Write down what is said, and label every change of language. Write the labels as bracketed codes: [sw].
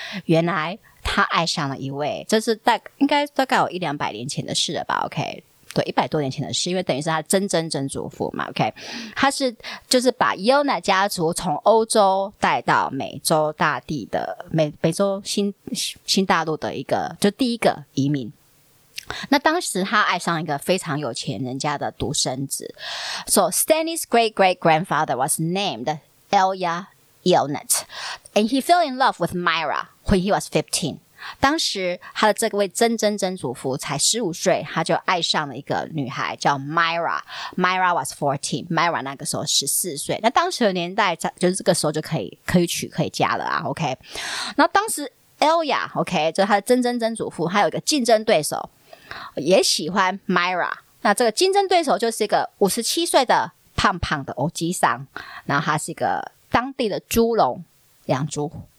[zh] 原来他爱上了一位，这是应该大概有一两百年前的事了吧。 OK，对，一百多年前的事，因为等于是他曾曾曾祖父嘛。 OK， 他是就是把 Yelnat 家族从欧洲带到美洲大地的美洲新大陆的一个就第一个移民。那当时他爱上一个非常有钱人家的独生子， [en] So Stanley's great great grandfather was named Elia Yelnat and he fell in love with Myra when he was 15. [zh] 当时他的这位曾曾曾祖父才15岁，他就爱上了一个女孩叫 Myra。 [en] Myra was 14， [zh] Myra 那个时候14岁，那当时的年代就是这个时候就可以娶可以嫁了啊。 OK， 那当时 Elia OK 就他的曾曾曾祖父还有一个竞争对手也喜欢 Myra， 那这个竞争对手就是一个57岁的胖胖的欧吉桑，然后他是一个当地的猪农养猪。